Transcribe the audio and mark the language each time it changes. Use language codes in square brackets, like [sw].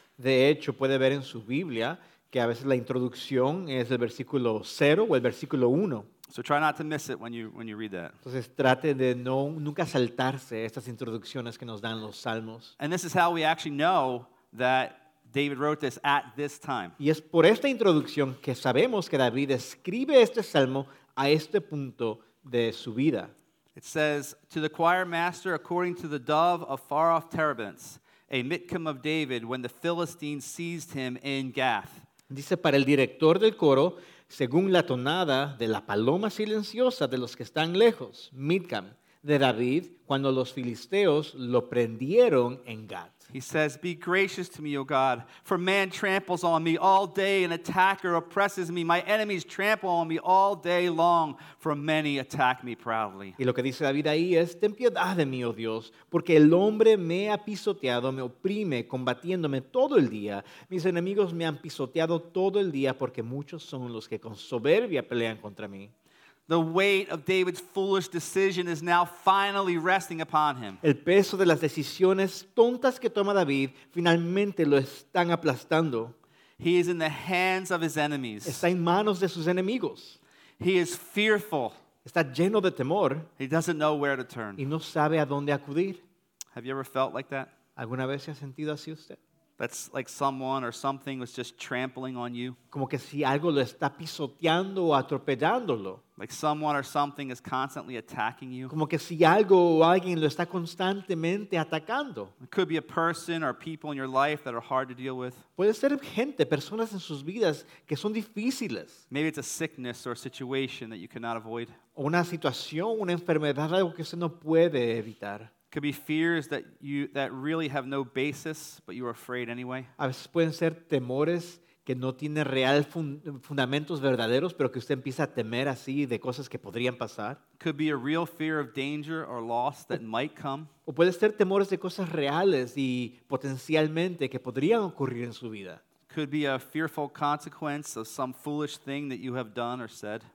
[es] De hecho, puede ver en su Biblia que a veces la introducción es el versículo 0 o el versículo 1. [en] So try not to miss it when you read that. [es] Entonces trate de no nunca saltarse estas introducciones que nos dan los salmos. [en] And this is how we actually know that David wrote this at this time. [es] Y es por esta introducción que sabemos que David escribe este salmo a este punto de su vida. [en] It says, "To the choir master according to the dove of far off terebinths, a mitkam of David when the Philistines seized him in Gath." [es] Dice, para el director del coro, según la tonada de la paloma silenciosa de los que están lejos, mitkam, de David, cuando los filisteos lo prendieron en Gath. [en] He says, "Be gracious to me, O God, for man tramples on me all day, an attacker oppresses me, my enemies trample on me all day long, for many attack me proudly." [es] Y lo que dice David ahí es, "Ten piedad de mí, oh Dios, porque el hombre me ha pisoteado, me oprime, combatiéndome todo el día. Mis enemigos me han pisoteado todo el día, porque muchos son los que con soberbia pelean contra mí." [en] The weight of David's foolish decision is now finally resting upon him. [es] El peso de las decisiones tontas que toma David finalmente lo están aplastando. [en] He is in the hands of his enemies. [es] Está en manos de sus enemigos. [en] He is fearful. [es] Está lleno de temor. [en] He doesn't know where to turn. [es] Y no sabe a dónde acudir. [en] Have you ever felt like that? [es] ¿Alguna vez se ha sentido así usted? [en] That's like someone or something was just trampling on you. [es] Como que si algo lo está pisoteando o atropellándolo. [en] Like someone or something is constantly attacking you. [es] Como que si algo o alguien lo está constantemente atacando. [en] It could be a person or people in your life that are hard to deal with. [es] Puede ser gente, personas en sus vidas que son difíciles. [en] Maybe it's a sickness or a situation that you cannot avoid. [es] O una situación, una enfermedad, algo que usted no puede evitar. [en] Could be fears that that really have no basis, but you are afraid anyway. [es] A veces pueden ser temores que no tienen real fundamentos verdaderos, pero que usted empieza a temer así de cosas que podrían pasar. [en] Could be a real fear of danger or loss that might come. [es] O puede ser temores de cosas reales y potencialmente que podrían ocurrir en su vida. [en] Could be a fearful consequence of some foolish thing that you have done or said.